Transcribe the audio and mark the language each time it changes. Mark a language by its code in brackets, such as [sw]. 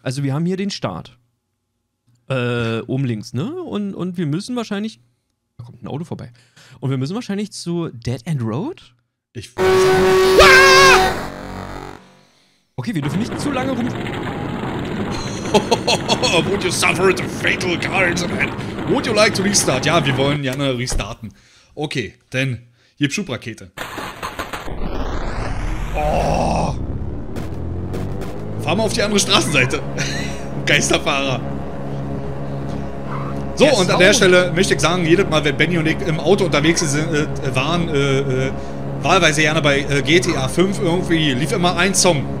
[de] Also wir haben hier den Start. Oben links, ne? Und wir müssen wahrscheinlich. Da kommt ein Auto vorbei. Und wir müssen wahrscheinlich zu Dead End Road? Ich weiß nicht. Ah! Okay, wir dürfen nicht zu lange rum. [en] Would you suffer a fatal car accident? Would you like to restart? [de] Ja, wir wollen gerne restarten. Okay, denn hier Schubrakete. Oh! Fahr mal auf die andere Straßenseite. Geisterfahrer. So, und an der Stelle möchte ich sagen, jedes Mal, wenn Benny und ich im Auto unterwegs sind, waren, wahlweise gerne bei GTA 5 irgendwie, lief immer ein Song.